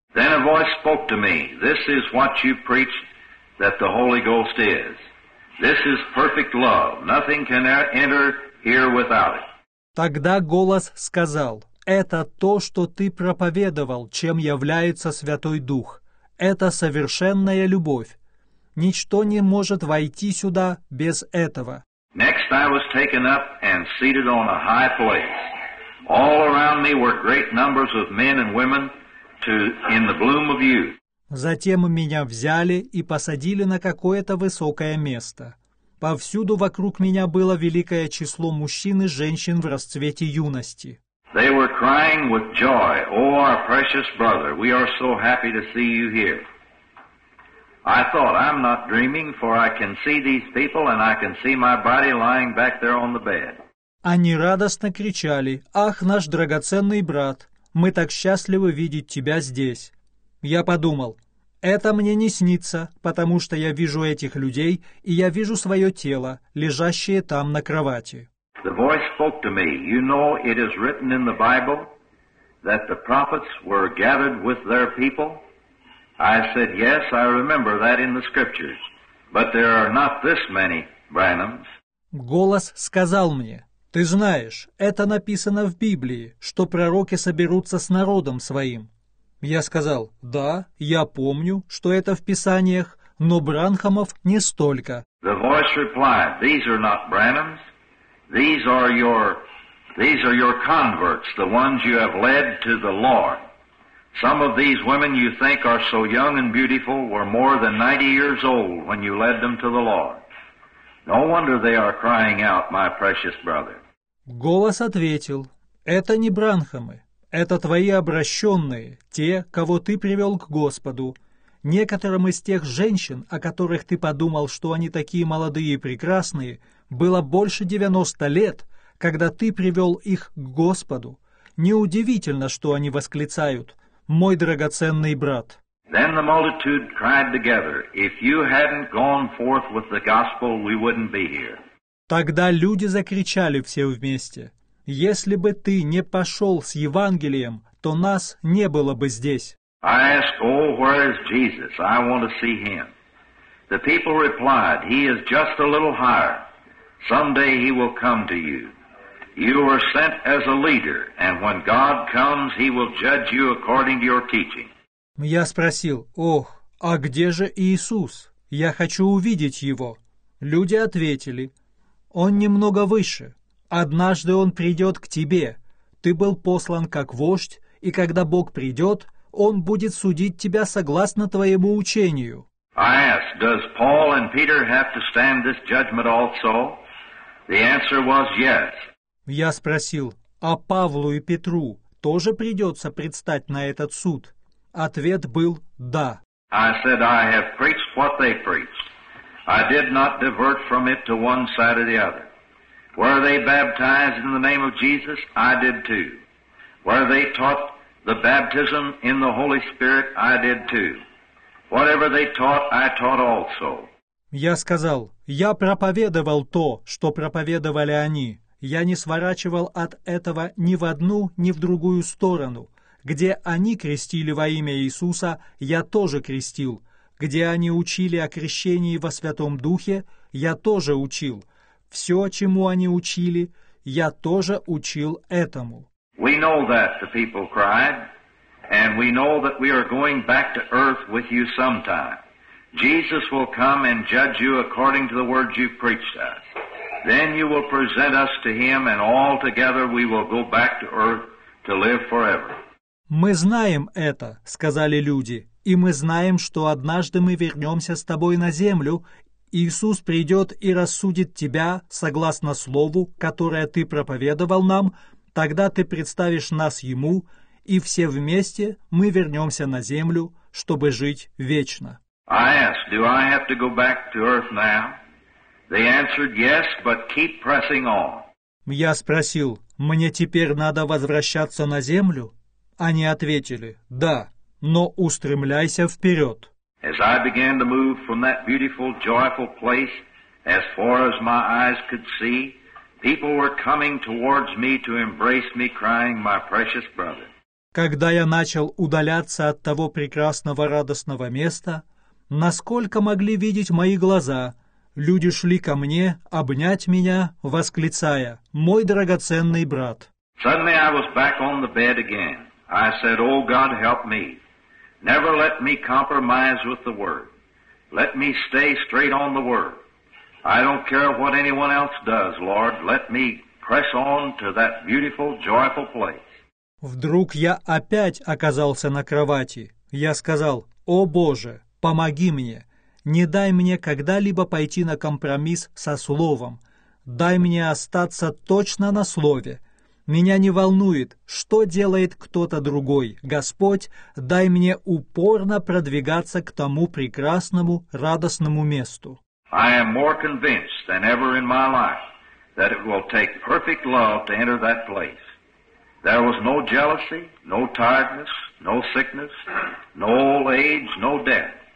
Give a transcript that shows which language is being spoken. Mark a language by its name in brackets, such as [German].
[English] Then a voice spoke to me, "This is what you preach that the Holy Ghost is. This is perfect love. Nothing can enter here without it." [Russian] Тогда голос сказал: "Это то, что ты проповедовал, чем является Святой Дух. Это совершенная любовь. Ничто не может войти сюда без этого." [English] Next I was taken up and seated on a high place. All around me were great numbers of men and women in the bloom of youth. [Russian] Затем меня взяли и посадили на какое-то высокое место. Повсюду вокруг меня было великое число мужчин и женщин в расцвете юности. [English] They were crying with joy, "Oh, our precious brother, we are so happy to see you here." I thought, "I'm not dreaming, for I can see these people and I can see my body lying back there on the bed." [Russian] Они радостно кричали: "Ах, наш драгоценный брат! Мы так счастливы видеть тебя здесь." Я подумал: "Это мне не снится, потому что я вижу этих людей, и я вижу свое тело, лежащее там на кровати." [English] The voice spoke to me, "You know, it is written in the Bible that the prophets were gathered with their people." I said, "Yes, I remember that in the scriptures, but there are not this many Branhams." [Russian] Голос сказал мне: "Ты знаешь, это написано в Библии, что пророки соберутся с народом своим." Я сказал: "Да, я помню, что это в Писаниях, но Бранхамов не столько." [English] The voice replied, "These are not Branhams. These are your converts, the ones you have led to the Lord. Some of these women you think are so young and beautiful were more than 90 years old when you led them to the Lord. No wonder they are crying out, my precious brother." [Russian] Голос ответил: "Это не Бранхамы, это твои обращенные, те, кого ты привел к Господу. Некоторым из тех женщин, о которых ты подумал, что они такие молодые и прекрасные, было больше 90 лет, когда ты привел их к Господу. Неудивительно, что они восклицают: мой драгоценный брат." [English] Then the multitude cried together, "If you hadn't gone forth with the gospel, we wouldn't be here." [Russian] Тогда люди закричали все вместе: "Если бы ты не пошел с Евангелием, то нас не было бы здесь." [English] I asked, "Oh, where is Jesus? I want to see him." The people replied, "He is just a little higher. Someday he will come to you. You were sent as a leader, and when God comes, he will judge you according to your teaching." [Russian] Я спросил: "Ох, а где же Иисус? Я хочу увидеть его." Люди ответили: "Он немного выше. Однажды он придет к тебе. Ты был послан как вождь, и когда Бог придет, он будет судить тебя согласно твоему учению." [English] I asked, does Paul and Peter have to stand this judgment also? The answer was yes. [Russian] Я спросил, а Павлу и Петру тоже придется предстать на этот суд? Ответ был «да». [English] I said, I have preached what they preached. I did not divert from it to one side or the other. Were they baptized in the name of Jesus? I did too. Were they taught the baptism in the Holy Spirit? I did too. Whatever they taught, I taught also. [Russian] Я сказал, я проповедовал то, что проповедовали они. Я не сворачивал от этого ни в одну, ни в другую сторону. Где они крестили во имя Иисуса, я тоже крестил. Где они учили о крещении во Святом Духе, я тоже учил. Все, чему они учили, я тоже учил этому. [English] We know that, the people cried, and we know that we are going back to earth with you sometime. Jesus will come and judge you according to the words you preached us. Then you will present us to him, and all together we will go back to earth to live forever. [Russian] «Мы знаем это, — сказали люди, — и мы знаем, что однажды мы вернемся с тобой на землю. Иисус придет и рассудит тебя, согласно слову, которое ты проповедовал нам, тогда ты представишь нас Ему, и все вместе мы вернемся на землю, чтобы жить вечно». [English] I asked, do I have to go back to earth now? They answered, yes, but keep pressing on. [Russian] Я спросил, мне теперь надо возвращаться на землю? Они ответили, да, но устремляйся вперед. [English] As I began to move from that beautiful, joyful place, as far as my eyes could see, people were coming towards me to embrace me, crying, my precious brother. [Russian] Когда я начал удаляться от того прекрасного, радостного места, насколько могли видеть мои глаза, люди шли ко мне, обнять меня, восклицая, мой драгоценный брат. [English] Suddenly I was back on the bed again. I said, oh God, help me. Never let me compromise with the Word. Let me stay straight on the Word. I don't care what anyone else does, Lord. Let me press on to that beautiful, joyful place. [Russian] Вдруг я опять оказался на кровати. Я сказал, о Боже, помоги мне. Не дай мне когда-либо пойти на компромисс со Словом. Дай мне остаться точно на Слове. Меня не волнует, что делает кто-то другой. Господь, дай мне упорно продвигаться к тому прекрасному, радостному месту. [English] I am more convinced than ever in my life that it will take perfect love to enter that place. There was no jealousy, no tiredness, no sickness, no old age, no death.